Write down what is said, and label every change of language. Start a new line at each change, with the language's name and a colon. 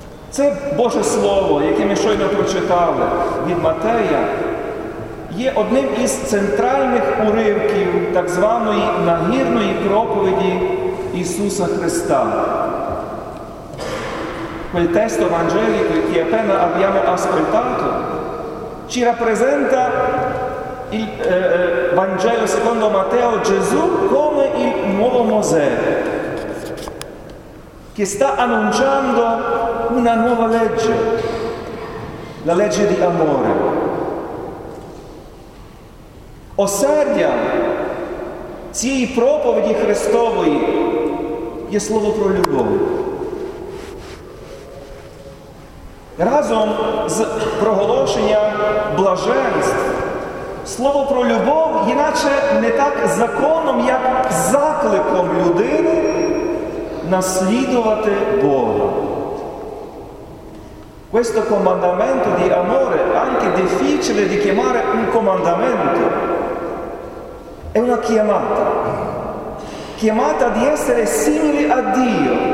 Ukrainian: Це Боже Слово, яке ми щойно прочитали від Матея, є одним із центральних уривків так званої нагірної проповіді Ісуса Христа.
Italian: Quel testo evangelico che appena abbiamo ascoltato ci rappresenta il Vangelo secondo Matteo, Gesù come il nuovo Mosè che sta annunciando una nuova legge, la legge di amore.
Ukrainian: Осердя цієї проповіді Христової є слово про любов. Разом з проголошенням блаженств, слово про любов є наче не так законом, як закликом людини наслідувати Бога.
Italian: Questo comandamento di amore, anche difficile di chiamare un comandamento, è una chiamata. Chiamata di essere simili a Dio.